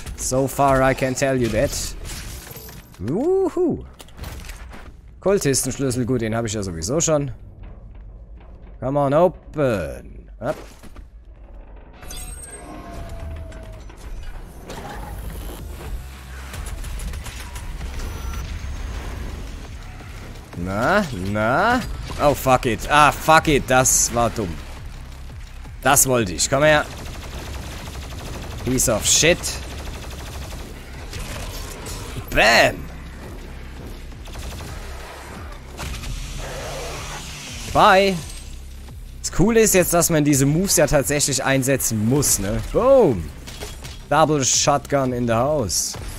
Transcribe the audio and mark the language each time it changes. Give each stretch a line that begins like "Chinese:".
English: So far I can tell you that. Wuhu.
German: Kultistenschlüssel, gut, den habe ich ja sowieso schon.
English: Come on, open. Up.
German: Na, na?
English: Oh, fuck it. Ah, fuck it.
German: Das war dumm. Das wollte ich. Komm her.
English: Piece of shit. Bam. Bye.
German: Das Coole ist jetzt, dass man diese Moves ja tatsächlich einsetzen muss, ne? Boom.
English: Double Shotgun in the house.